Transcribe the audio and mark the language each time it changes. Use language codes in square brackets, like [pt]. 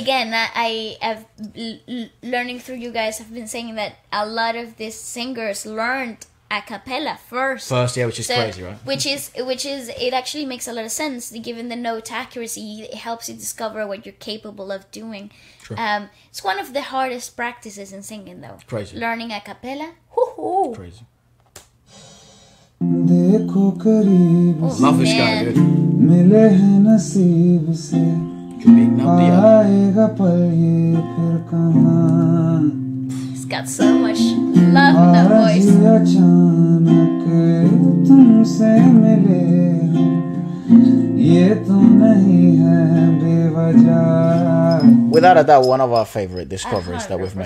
[en] Again, I have learning through you guys, I've been saying that a lot of these singers learned a cappella first. Which is so crazy, right? Which is, it actually makes a lot of sense, given the note accuracy. It helps you discover what you're capable of doing. True. It's one of the hardest practices in singing, though. Crazy. Learning a cappella. Crazy. [hi] देखो करीब मिले हैं नसीब से आएगा पर ये फिर कहां [en] He's got so much love in that voice [hi] अचानक तुमसे मिले ये तो नहीं है बेवजह [en] Without a doubt, one of our favorite discoveries that we've made.